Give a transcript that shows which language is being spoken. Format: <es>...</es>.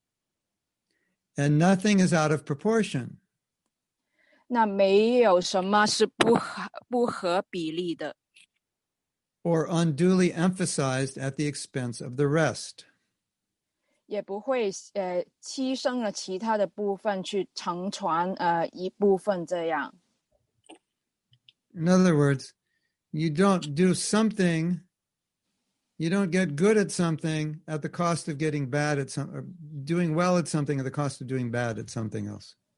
<zh>那平衡的字典的定义是什么呢？就是各方面呢都是可以达到一个满足的一个阶段。</zh> <en>And nothing is out of proportion.</en> <zh>那没有什么是不合比例的。</zh> <en>Or unduly emphasized at the expense of the rest.</en> <zh>也不会牺牲了其他的部分去成全一部分这样。</zh> <en>In other words, you don't do something, you don't get good at something at the cost of getting bad at something, or doing well at something at the cost of doing bad at something else.</en>